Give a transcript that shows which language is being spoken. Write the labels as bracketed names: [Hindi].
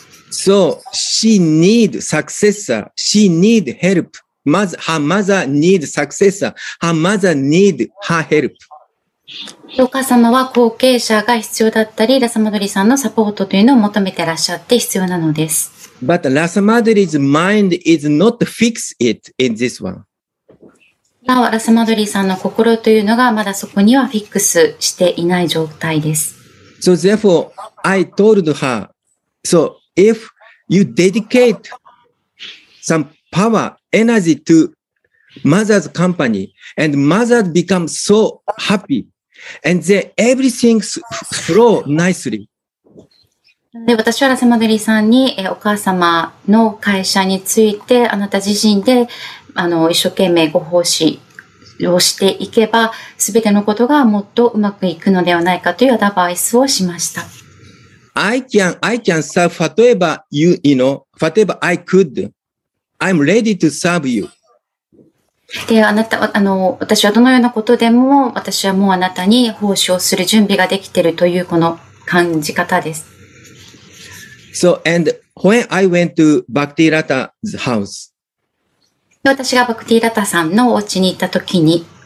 [English] So, she need successor, she need help. Her mother need successor. Her mother need her help. [Japanese] お母様は後継者が必要だったり、ラサマドリさんのサポートというのを求めてらっしゃって必要なのです。 [English] But Rasa Madri's mind is not fixed it in this one. [Japanese] ラサマドリさんの心というのがまだそこにはフィックスしていない状態です。 [English] So therefore, I told her, so if you dedicate some power, energy to mother's company, and mother become so happy, and then everything flow nicely. [Japanese] で私はラサマドリさんにお母様の会社についてあなた自身で一生懸命ご奉仕をしていけば全てのことがもっとうまくいくのではないかというアドバイスをしました。 [English] I can serve whatever you know, whatever I could. I'm ready to serve you. [Japanese] で、あなた、私はどのようなことでも私はもうあなたに奉仕をする準備ができているというこの感じ方です。 [English] So, and when I went to Bhakti Rata's house, [Japanese] 私がバクティラタさんのお家に行ったときに、